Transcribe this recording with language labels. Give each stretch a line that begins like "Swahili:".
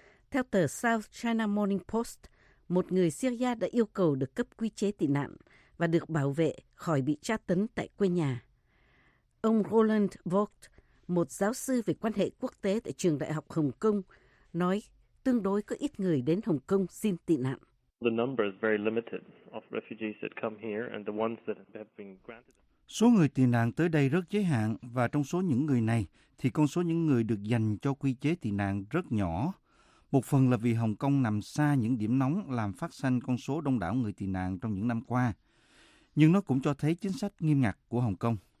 Vietnamese: Theo tờ South China Morning Post, một người Syria đã yêu cầu được cấp quy chế tị nạn và được bảo vệ khỏi bị tra tấn tại quê nhà. Ông Roland Vogt, một giáo sư về quan hệ quốc tế tại Trường Đại học Hồng Kông, nói tương đối có ít người đến Hồng Kông xin tị nạn.
English: The number is very limited of refugees that come here and the ones that have been granted.
Vietnamese: Số người tị nạn tới đây rất giới hạn và trong số những người này thì con số những người được dành cho quy chế tị nạn rất nhỏ. Một phần là vì Hồng Kông nằm xa những điểm nóng làm phát sinh con số đông đảo người tị nạn trong những năm qua. Nhưng nó cũng cho thấy chính sách nghiêm ngặt của Hồng Kông.